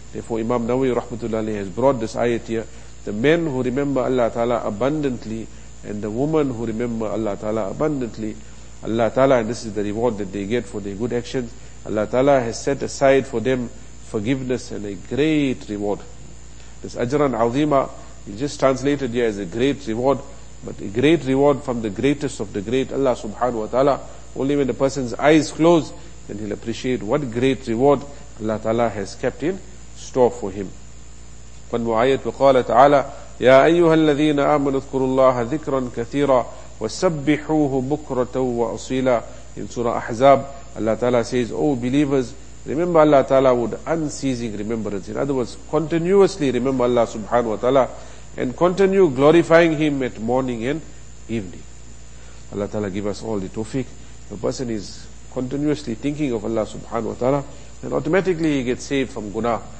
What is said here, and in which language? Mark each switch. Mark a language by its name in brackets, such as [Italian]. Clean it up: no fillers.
[English] Therefore Imam Nawawi rahmatullahi has brought this ayat here. The men who remember Allah ta'ala abundantly and the woman who remember Allah ta'ala abundantly, Allah ta'ala, and this is the reward that they get for their good actions, Allah ta'ala has set aside for them forgiveness and a great reward. This ajran azima is just translated here as a great reward, but a great reward from the greatest of the great, Allah subhanahu wa ta'ala. Only when the person's eyes close, then he'll appreciate what great reward Allah ta'ala has kept in store for him. [Arabic] فالمعايات وقال تعالى يا أيها الذين آمنوا اذكروا الله ذكرا كثيرا وسبحوه بكرة وأصيلا. [English] In Surah Ahzab, Allah Ta'ala says, O believers, remember Allah Ta'ala with unceasing remembrance. In other words, continuously remember Allah Subhanahu Wa Ta'ala and continue glorifying Him at morning and evening. Allah Ta'ala give us all the tawfiq. The person is continuously thinking of Allah Subhanahu Wa Ta'ala and automatically he gets saved from gunah.